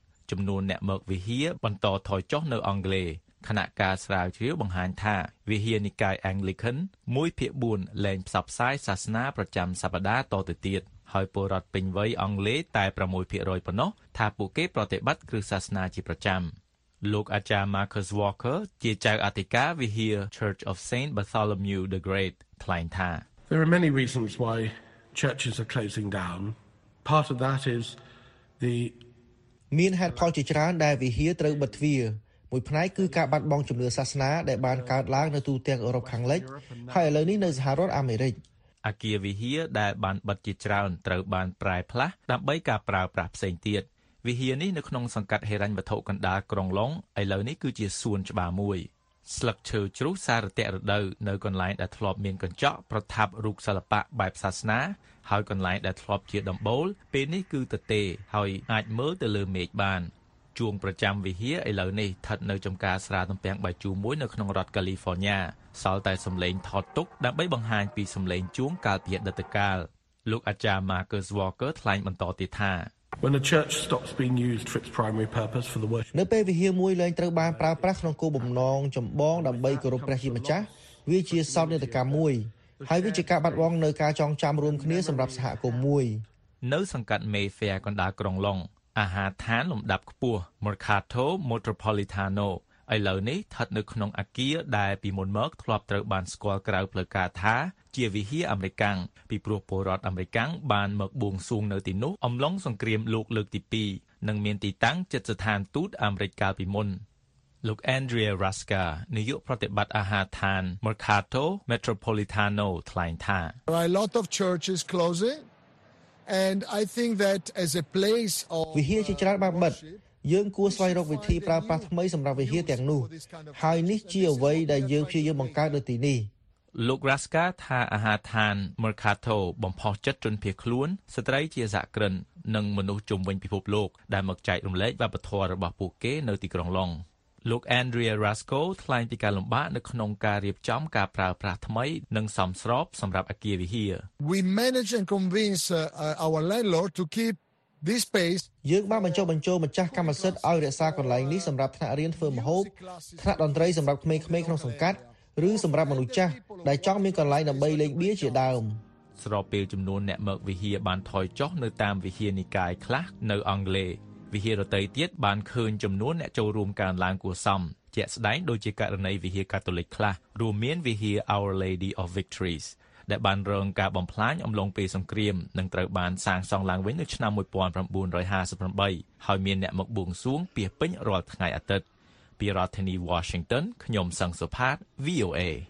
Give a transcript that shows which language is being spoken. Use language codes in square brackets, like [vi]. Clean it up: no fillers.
[km] ចំនួនអ្នកមកវិហារបន្តថយចុះនៅអង់គ្លេសគណៈការស្រាវជ្រាវបង្ហាញថាវិហារនិកាយ Anglican 1/4 លែងផ្សព្វផ្សាយសាសនាប្រចាំសប្តាហ៍តទៅទៀតហើយពលរដ្ឋពេញវ័យអង់គ្លេសតែ 6% ប៉ុណ្ណោះថាពួកគេប្រតិបត្តិគ្រឹះសាសនាជាប្រចាំលោកអាចារ្យ Marcus Walker ជាចៅអធិការវិហារ Church of Saint Bartholomew the Great ថ្លែងថា [en] There are many reasons why churches are closing down. Part of that is the [km] មានហេតុផលជាច្រើនដែលវិហារត្រូវបិទទ្វារមួយផ្នែកគឺការបាត់បង់ជំនឿសាសនាដែលបានកើតឡើងនៅទូទាំងអឺរ៉ុបខាងលិចហើយឥឡូវនេះនៅសហរដ្ឋអាមេរិក អាគារវិហារដែលបានបិទជាច្រើនត្រូវបានប្រែផ្លាស់ដើម្បីការប្រើប្រាស់ផ្សេងទៀតវិហារនេះនៅក្នុងសង្កាត់ហេរញ្ញវត្ថុកណ្ដាលក្រុងឡុងឥឡូវនេះគឺជាសួនច្បារមួយ ស្លឹកឈើជ្រុះសារតៈរដូវនៅកន្លែងដែលធ្លាប់មានកញ្ចក់ប្រថាប់រូបសិល្បៈបែបសាសនាហើយកន្លែងដែលធ្លាប់ជាដំបូលពេលនេះគឺទទេហើយអាចមើលទៅលើមេឃបានជួងប្រចាំវិហារឥឡូវនេះស្ថិតនៅចំការស្រាទំពាំងបៃជូរមួយនៅក្នុងរដ្ឋកាលីហ្វ័រញ៉ាសល់តែសំឡេងថតទុកដើម្បីបង្ហាញពីសំឡេងជួងកាលពីអតីតកាលលោកអាចារ្យ Marcus Walker ថ្លែងបន្តទៀតថា [en] When a church stops being used for its primary purpose for the worship [km] នៅពេលវិហារមួយលែងត្រូវបានប្រើប្រាស់ក្នុងគោលបំណងចម្បងដើម្បីគោរពព្រះជាម្ចាស់វាជាសោកនាដកម្មមួយហើយវាជាការបាត់បង់នូវការចងចាំរួមគ្នាសម្រាប់សហគមន៍មួយ នៅសង្កាត់ Mayfair កណ្ដាលក្រុងឡុងអាហារដ្ឋានលំដាប់ខ្ពស់ Mercato Metropolitano ឥឡូវនេះស្ថិតនៅក្នុងអគារដែលពីមុនមកធ្លាប់ត្រូវបានស្គាល់ក្រៅផ្លូវការថាជាវិហារអាមេរិកាំងពីព្រោះពលរដ្ឋអាមេរិកាំងបានមកបួងសួងនៅទីនោះអំឡុងសង្គ្រាមលោកលើកទី2និងមានទីតាំងជិតស្ថានទូតអាមេរិកកាលពីមុនលោក Andrea Rasca នាយកប្រតិបត្តិអាហារដ្ឋាន Mercato Metropolitano ថ្លែងថា [en] A lot of churches closing. And I think that as a place of [km] វិហារជាច្រើនបានបិទយើងគួរស្វែងរកវិធីប្រើប្រាស់ថ្មីសម្រាប់វិហារទាំងនោះហើយនេះជាអ្វីដែលយើងព្យាយាមបង្កើតនៅទីនេះ លោក Rasca ថាអាហារឋាន Mercato បំផុសចិត្តជនភៀសខ្លួនស្ត្រីជាសហគ្រិននិងមនុស្សជំនាញពិភពលោកដែលមកចែករំលែកវប្បធម៌របស់ពួកគេនៅទីក្រុងឡុងលោក Andrea Rasco ថ្លែងពីការលំបាកនៅក្នុងការរៀបចំការប្រើប្រាស់ថ្មីនិងសំស្របសម្រាប់អគារវិហារ [en] We managed and convinced our landlord to keep this space [km] យើងបានបញ្ចូលម្ចាស់កម្មសិទ្ធិឲ្យរក្សាកន្លែងនេះសម្រាប់ថ្នាក់រៀនធ្វើម្ហូបថ្នាក់តន្ត្រីសម្រាប់ក្មេងៗក្នុងសង្កាត់ឬសម្រាប់មនុស្សចាស់ដែលចង់មានកន្លែងដើម្បីលេងបៀជាដើម ស្របពេលចំនួនអ្នកមកវិហារបានថយចុះនៅតាមវិហារនិកាយខ្លះនៅអង់គ្លេសវិហាររដ្ឋទៀតបានឃើញចំនួនអ្នកចូលរួមកើនឡើងគួរសមជាក់ស្ដែងដូចជាករណីវិហារកាតូលិកខ្លះរួមមានវិហារ Our Lady of Victories ដែលបានរងការបំផ្លាញអំឡុងពេលសង្គ្រាមនិងត្រូវបានសាងសង់ឡើងវិញនៅឆ្នាំ1958ហើយមានអ្នកមកបួងសួងពាសពេញរាល់ថ្ងៃអាទិត្យពីរដ្ឋធានី Washington ខ្ញុំសង្ឃសុផាត VOA